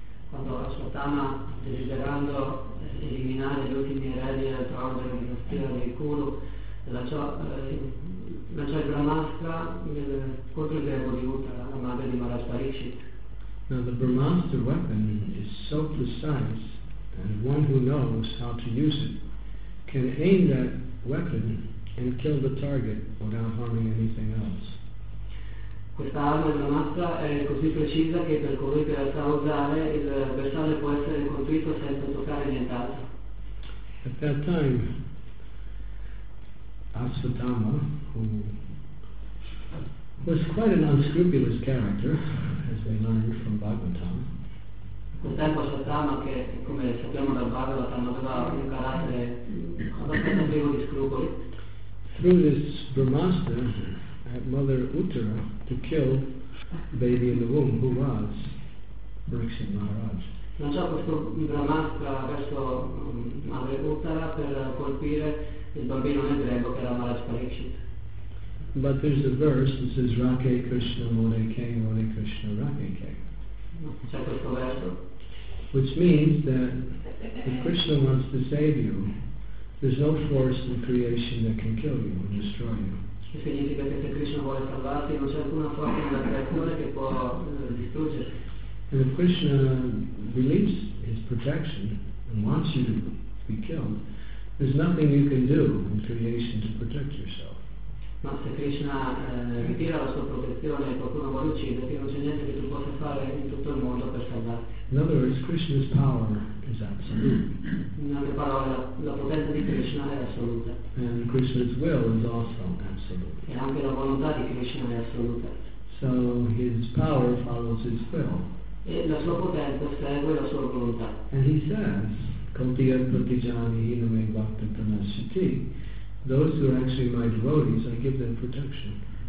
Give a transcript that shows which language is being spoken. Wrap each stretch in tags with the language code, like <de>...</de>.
<it>Quando Ashvatthama, desiderando eliminare gli ultimi eredi del trono della dinastia del Kuru, lanciò il Brahmastra nel corpo greco di Uttara, la madre di Maharaj Pariksit.</it> <en>Now the Brahmastra weapon is so precise, and one who knows how to use it can aim that weapon and kill the target without harming anything else.</en> <it>Questa arma della massa è così precisa che per colui che la sa usare il bersaglio può essere colpito senza toccare nient'altro.</it> <en>At that time, Ashvatthama, who was quite an unscrupulous character, as we learned from Bhagavatam.</en> <it>Quest'epoca Ashvatthama, che come sappiamo dal Bhagavatam, aveva un carattere abbastanza privo di scrupoli,</it> <en>threw this Brahmastra at Mother Uttara to kill the baby in the womb, who was Pariksit Maharaj.</en> <it>Lanciò questo Brahmastra verso Madre Uttara per colpire il bambino nel grembo che era Maharaj Pariksit.</it> <en>But there's a verse that says Rake Krishna Mone Ke Mone Krishna Rake Ke.</en> <it>C'è questo verso.</it> <en>Which means that if Krishna wants to save you, there's no force in creation that can kill you or destroy you. And if Krishna believes his protection and wants you to be killed, there's nothing you can do in creation to protect yourself.</en> <it>Ma se Krishna ritira la sua protezione non è, qualcuno vuole ucciderti, non c'è niente che tu possa fare in tutto il mondo per salvarti.</it> <en>In other words, Krishna's power is absolute.</en> <it>In altre parole, la potenza di Krishna è assoluta.</it> <en>And Krishna's will is also absolute.</en> <it>E anche la volontà di Krishna è assoluta.</it> <en>So his power follows his will.</en> <it>E la sua potenza segue la sua volontà.</it> <en>And he says, those who are actually my devotees, I give them protection.</en>